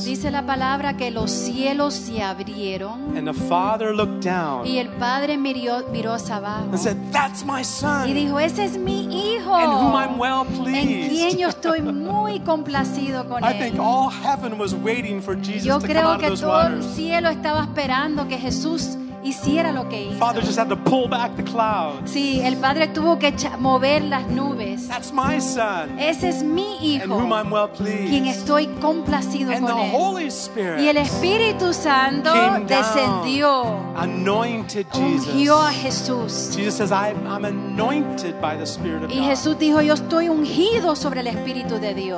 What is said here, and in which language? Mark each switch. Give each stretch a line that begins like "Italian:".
Spanish: Dice la palabra que los cielos se abrieron.
English: And the Father looked down.
Spanish: Y el Padre miró hacia abajo.
English: And said, "That's my son."
Spanish: Y dijo, "Ese es mi hijo."
English: In whom I'm well pleased.
Spanish: En quien yo estoy muy complacido con él.
English: I think all heaven was waiting for Jesus to come out of those waters.
Spanish: Yo creo que todo el cielo estaba esperando que Jesús hiciera lo que hizo.
English: Father just had to pull back the clouds.
Spanish: Sí, el padre tuvo que mover las nubes.
English: That's my son.
Spanish: Ese es mi hijo.
English: And whom I'm well pleased.
Spanish: Quien estoy complacido
English: and
Spanish: con
English: the Holy Spirit.
Spanish: Y el Espíritu Santo
English: came
Spanish: descendió.
English: Down, anointed Jesus.
Spanish: Ungió a Jesús.
English: Jesus says, I'm anointed by the Spirit of God.
Spanish: Y Jesús dijo, yo estoy ungido sobre el Espíritu de Dios.